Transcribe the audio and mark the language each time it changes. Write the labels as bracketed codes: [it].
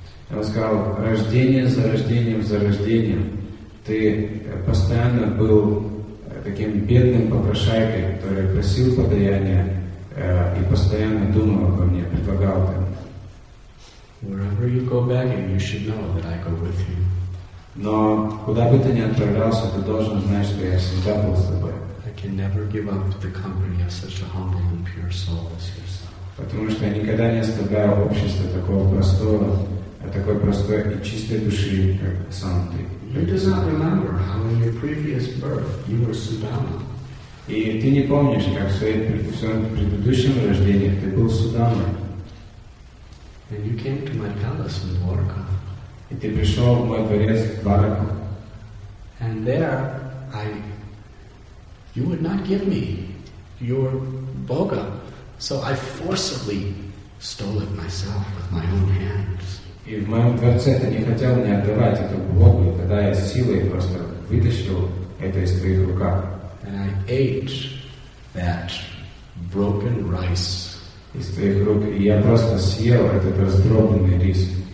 [ru] Я сказал, рождение за рождением за рождением, ты постоянно был таким бедным попрошайкой, который просил подаяния и постоянно думал обо мне, предлагал ты. [en] Wherever you go begging, you should know that I go with you. [ru] Но куда бы ты ни отправлялся, ты должен знать, что я всегда был с тобой. [en] I can never give up the company of such a humble and pure soul as yourself. [ru] Потому что я никогда не оставляю общество такого простого, такой простой и чистой души, как сам ты. [en] You do not remember how in your previous birth you were Sudama. [ru] И ты не помнишь, как в своем предыдущем рождении ты был Sudama. [en] And you came to my palace in Dwarka. [ru] И ты пришел в мой дворец в Дварку. [en] And there I you would not give me your boga, so I forcibly stole it myself with my own hands. [ru] И в моем дворце ты не хотел мне отдавать эту богу, тогда я силой просто вытащил это из твоих рук. [en] And I ate that broken rice. [ru] Из твоих рук, и я просто съел этот раздробленный рис.